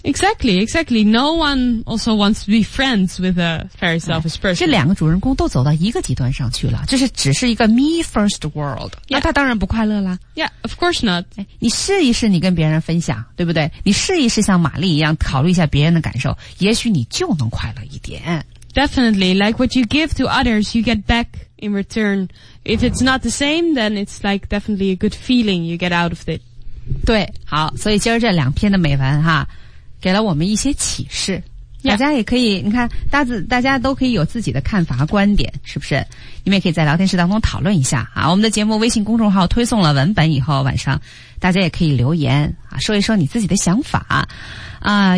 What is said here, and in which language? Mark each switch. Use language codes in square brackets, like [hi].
[en] Exactly, exactly. No one also wants to be friends with a very selfish person. [zh] 这两个主人公都走到一个极端上去了，这是只是一个 [en] me first world.、 Yeah. [zh] 那他当然不快乐了。 [en] Yeah, of course not. [zh] 你试一试你跟别人分享，对不对？你试一试像玛丽一样考虑一下别人的感受，也许你就能快乐一点。 [en] Definitely, like what you give to others, you get back in return. If it's not the same, then it's like definitely a good feeling you get out of it. [zh] 对，好，所以今儿这两篇的美文哈，给了我们一些启示。 [en] Yeah. [zh] 大家也可以，你看，大家都可以有自己的看法和观点，是不是？你们也可以在聊天室当中讨论一下啊。我们的节目微信公众号推送了文本以后，晚上大家也可以留言啊，说一说你自己的想法啊。